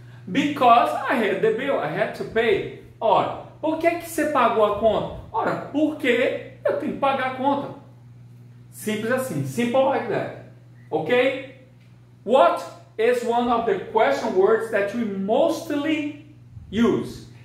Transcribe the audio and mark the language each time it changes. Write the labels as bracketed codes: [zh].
[en] Because I had the bill, I had to pay. [pt] Ora, por que que você pagou a conta? Ora, porque eu tenho que pagar a conta. Simples assim, [en] simple like that. Ok? What is one of the question words that we mostly use?